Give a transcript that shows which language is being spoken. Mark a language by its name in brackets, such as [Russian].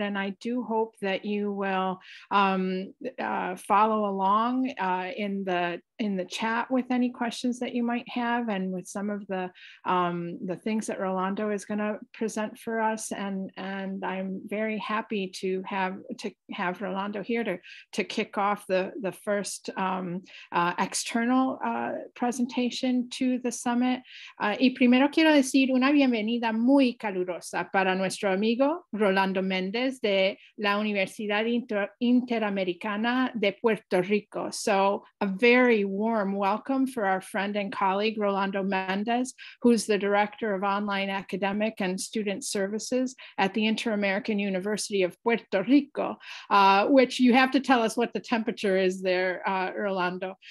[English] And I do hope that you will follow along in the chat with any questions that you might have and with some of the things that Rolando is gonna present for us. And I'm very happy to have Rolando here to kick off the first external presentation to the summit. [Spanish] Y primero quiero decir una bienvenida muy calurosa para nuestro amigo Rolando Méndez de la Universidad Interamericana de Puerto Rico. [English] So a very warm welcome for our friend and colleague Rolando Méndez, who's the Director of Online Academic and Student Services at the Interamerican University of Puerto Rico, which you have to tell us what the temperature is there, Rolando.